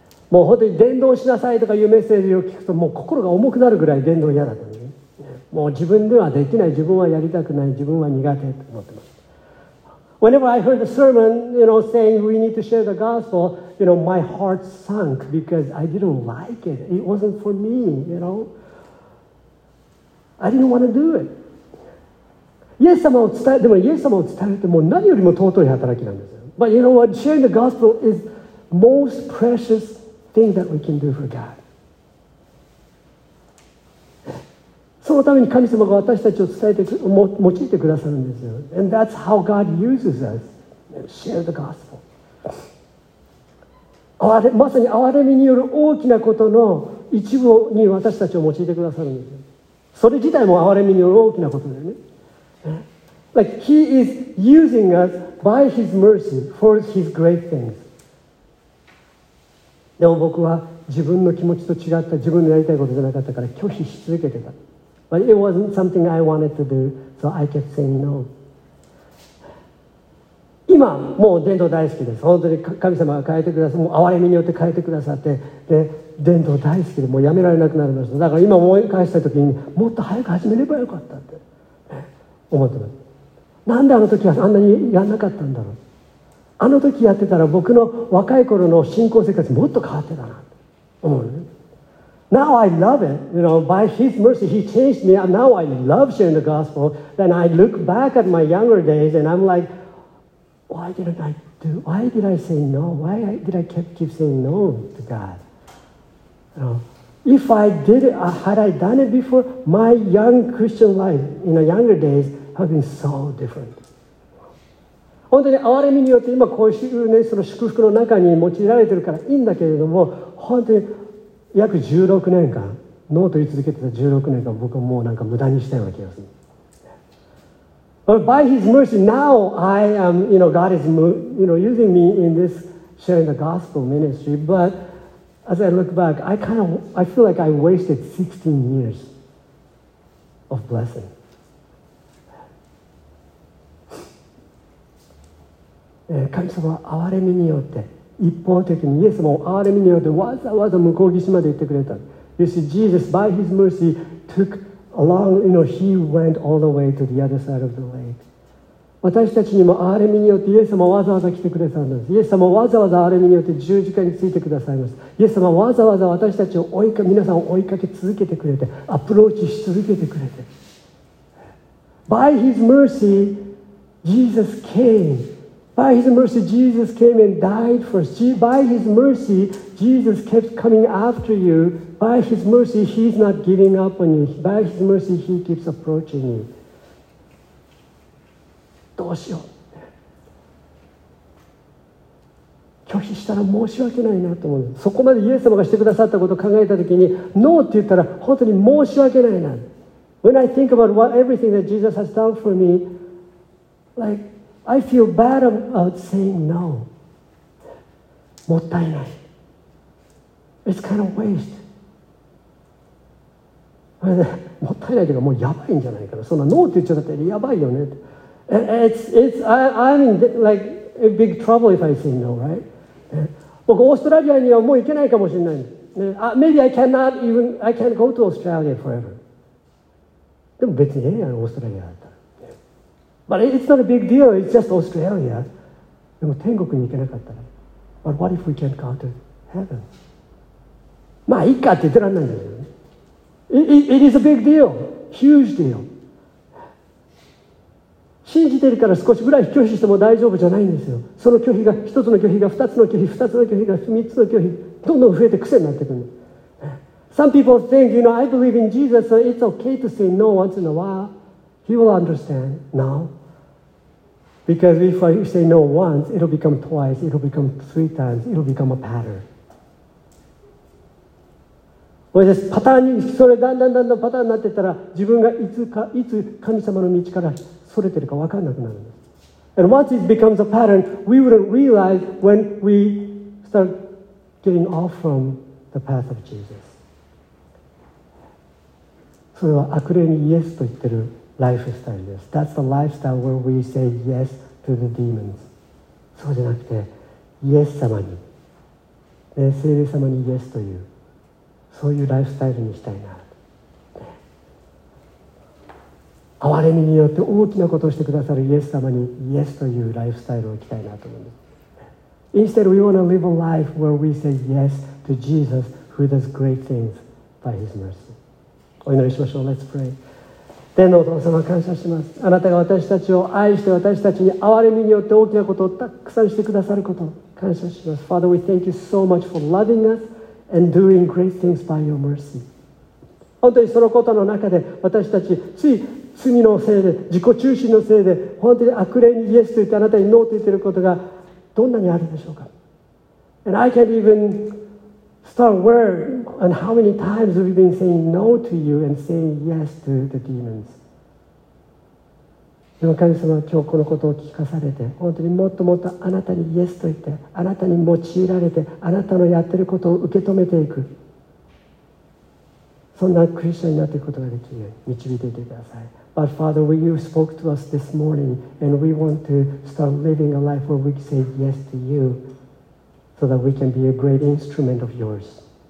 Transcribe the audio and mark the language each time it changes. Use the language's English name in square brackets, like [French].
[Japanese] もう本当に伝道しなさいとかいうメッセージを聞くと、もう心が重くなるぐらい伝道嫌だった。もう自分ではできない、自分はやりたくない、自分は苦手と思ってます。 [English] Whenever I heard the sermon, you know, saying we need to share the gospel, you know, my heart sunk because I didn't like it. It wasn't for me, you know. I didn't want to do it. [Japanese] イエス様を伝え、でもイエス様を伝えるってもう何よりも尊い働きなんですよ。 [English] But you know what? Sharing the gospel is most precious thing that we can do for God. [Japanese] そのために神様が私たちを伝えて用いてくださるんですよ。 [English] And that's how God uses us. Share the gospel. [Japanese] まさに憐れみによる大きなことの一部に私たちを用いてくださるんですよ。それ自体も憐れみによる大きなことだよね。 [English] Like He is using us by His mercy for His great things. [Japanese] でも僕は自分の気持ちと違った自分のやりたいことじゃなかったから拒否し続けてた。 [English] But it wasn't something I wanted to do, so I kept saying no. [Japanese] 今もう伝道大好きです。本当に神様が変えてくださって、もう憐れみによって変えてくださって、で伝道大好きで、もうやめられなくなりました。だから今思い返したときに、もっと早く始めればよかったって思ってます。なんであの時はあんなにやんなかったんだろう。あの時やってたら僕の若い頃の信仰生活もっと変わってたなって思うね。 [English] Now I love it, you know, by His mercy, He changed me. Now I love sharing the gospel. Then I look back at my younger days and I'm like, why did I say no? Why did I keep saying no to God? You know, if I did it, had I done it before, my young Christian life, you know, younger days have been so different. [Japanese] 本当に憐れみによって今こういうね、その祝福の中に用いられてるからいいんだけれども、本当に約16年間ノーと言い続けてた16年間僕はもうなんか無駄にしたような気がする。 [English] But by his mercy now I am, you know, God is, you know, using me in this sharing the gospel ministry. But as I look back, I feel like I wasted 16 years of blessing. [Japanese] 神様は憐れみによって一方的にイエス様を憐れみによってわざわざ向こう岸まで行ってくれた。 [English] You see, Jesus, by his mercy, took along, you know, he went all the way to the other side of the lake. [Japanese] 私たちにも憐れみによってイエス様はわざわざ来てくださるんです。イエス様はわざわざ憐れみによって十字架についてくださいます。イエス様はわざわざ私たちを追いか皆さんを追いかけ続けてくれて、アプローチし続けてくれて、 [English] By His mercy Jesus came. By His mercy Jesus came and died for us. By His mercy Jesus kept coming after you. By His mercy He's not giving up on you. By His mercy He keeps approaching you. [Japanese] どうしよう、拒否したら申し訳ないなと思う。そこまでイエス様がしてくださったことを考えたときに、ノーって言ったら本当に申し訳ないな。 [English] When I think about what everything that Jesus has done for me, like I feel bad about saying no. [Japanese] もったいない。 [English] It's kind of waste. [Japanese] もったいないというか、もうやばいんじゃないかな。そんなノーって言っちゃったらやばいよね。 [English] It's I'm in like a big trouble if I say no, right? [Japanese] 僕オーストラリアにはもう行けないかもしれない。 [English] Maybe I can't go to Australia forever. [Japanese] でも別にええやん、オーストラリアだったら。 [English] But it's not a big deal. It's just Australia. [Japanese] でも天国に行けなかったら。 [English] But what if we can't go to heaven? [Japanese] まあいいかって言ってらんないんだけどね。 [English] It is a big deal. Huge deal. [Japanese] 信じてるから少しぐらい拒否しても大丈夫じゃないんですよ。その拒否が、一つの拒否が、二つの拒否、二つの拒否が、三つの拒否、どんどん増えて癖になってくる。 [English] Some people think, you know, I believe in Jesus, so it's okay to say no once in a while. He will understand now. Because if I say no once, it'll become twice, it'll become three times, it'll become a pattern. [Japanese] これです。パターンに、それだんだんだんだんパターンになってったら、自分がいつか、いつ神様の道から、それてるか分かんなくなるんです。 [English] And once it becomes a pattern, we wouldn't realize when we start getting off from the path of Jesus. [Japanese] それは悪霊にイエスと言ってるライフスタイルです。 [English] That's the lifestyle where we say yes to the demons. [Japanese] そうじゃなくて、イエス様に、聖霊様にイエスという、そういうライフスタイルにしたいな。憐れみによって大きなことをしてくださるイエス様にイエスというライフスタイルを生きたいなと思います。 [English] Instead, we want to live a life where we say yes to Jesus who does great things by His mercy. [Japanese] お祈りしましょう。 [English] Let's pray. [Japanese] 天のお父様、感謝します。あなたが私たちを愛して私たちに憐れみによって大きなことをたくさんしてくださることを感謝します。 [English] Father, we thank you so much for loving us and doing great things by your mercy. [Japanese] 本当にそのことの中で私たちつい罪のせいで、自己中心のせいで、本当に悪霊にイエスと言ってあなたにノーと言っていることがどんなにあるでしょうか。 [English] And I can't even start where and how many times we've been saying no to you and saying yes to the demons. [Japanese] でも神様は今日このことを聞かされて、本当にもっともっとあなたにイエスと言って、あなたに用いられて、あなたのやっていることを受け止めていく、そんなクリスチャンになっていくことができる、導いていてください。 [English] But Father, you spoke to us this morning, and we want to start living a life where we say yes to you, so that we can be a great instrument of yours.